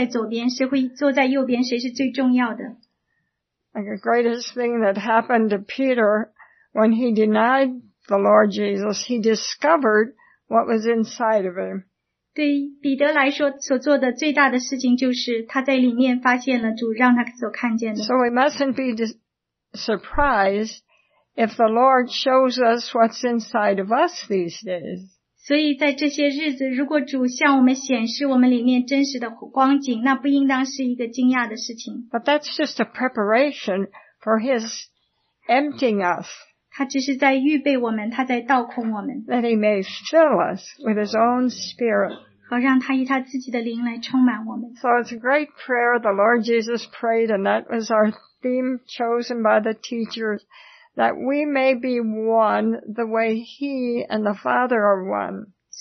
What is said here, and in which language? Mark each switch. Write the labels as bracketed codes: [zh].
[zh] 他们不再争论谁伟大,谁会坐在左边,谁会坐在右边,谁是最重要的。 [en] Like the greatest thing that happened to Peter when he denied the Lord Jesus, he discovered what was inside of him. [zh] 对彼得来说,所做的最大的事情就是他在里面发现了主让他所看见的。 [en] So we mustn't be surprised if the Lord shows us what's inside of us these days. [zh] 所以在这些日子,如果主向我们显示我们里面真实的光景,那不应当是一个惊讶的事情。 [en] But that's just a preparation for His emptying us. [zh] 他只是在预备我们,他在倒空我们。 [en] That He may fill us with His own Spirit. [zh] 好让他以他自己的灵来充满我们。 [en] So it's a great prayer the Lord Jesus prayed, and that was our theme chosen by the teachers. That we may be one the way He and the Father are one.